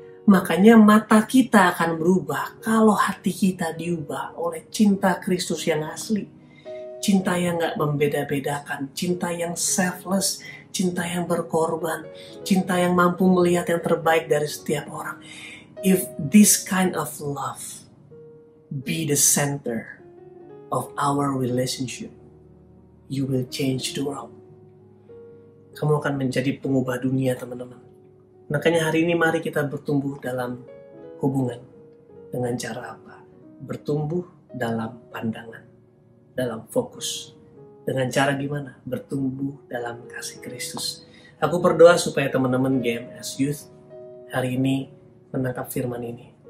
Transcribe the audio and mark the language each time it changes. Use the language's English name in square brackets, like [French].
[Indonesian] Makanya mata kita akan berubah kalau hati kita diubah oleh cinta Kristus yang asli. cinta yang gak membeda-bedakan, cinta yang selfless, cinta yang berkorban, cinta yang mampu melihat yang terbaik dari setiap orang. [English] If this kind of love be the center of our relationship, you will change the world. [Indonesian] Kamu akan menjadi pengubah dunia, teman-teman. Makanya hari ini mari kita bertumbuh dalam hubungan. Dengan cara apa? Bertumbuh dalam pandangan, dalam fokus. Dengan cara gimana? Bertumbuh dalam kasih Kristus. Aku berdoa supaya teman-teman GMS Youth hari ini menangkap firman ini.